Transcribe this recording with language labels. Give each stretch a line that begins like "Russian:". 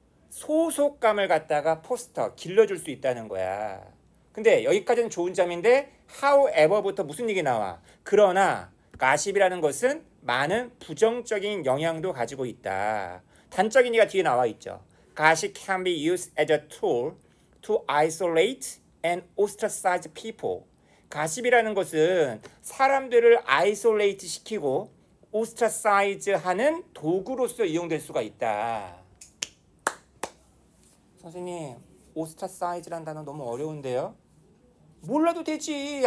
Korean: 소속감을 갖다가 포스터, 길러줄 수 있다는 거야. 근데 여기까지는 좋은 점인데 however부터 무슨 얘기 나와? 그러나 가십이라는 것은 많은 부정적인 영향도 가지고 있다. 단적인 얘기가 뒤에 나와 있죠.
English: Gossip can be used as a tool to isolate and ostracize people.
Korean: 가십이라는 것은 사람들을 아이솔레이트 시키고 오스트라사이즈 하는 도구로서 이용될 수가 있다. 선생님, 오스트라사이즈란 단어 너무 어려운데요? 몰라도 되지.